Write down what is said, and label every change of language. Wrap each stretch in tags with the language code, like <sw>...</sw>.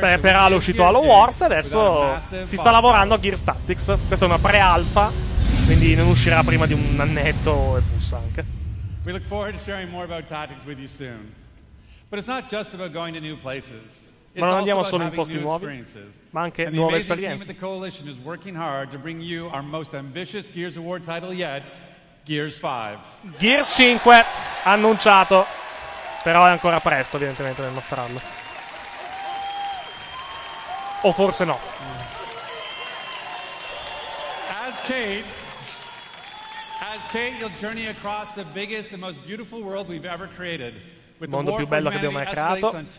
<it>Beh, per Halo è uscito Halo Wars, adesso si sta lavorando a Gears Tactics. Questa è una pre-alpha, quindi non uscirà prima di un annetto e bus anche.</it> <en>We look forward to sharing more about tactics with you soon. But it's not just about going to new places.</en> <it>Ma non andiamo solo in posti nuovi, ma anche nuove esperienze.</it> <en>The Coalition is working hard to bring you our most ambitious Gears of War title yet, Gears 5.</en> <it>Gears 5 annunciato. Però è ancora presto, evidentemente, nel mostrarlo. O forse no.</it> <en>As Kate, you'll journey across the biggest and most beautiful world we've ever created.</en> <it>Il mondo più bello che abbiamo mai creato.</it>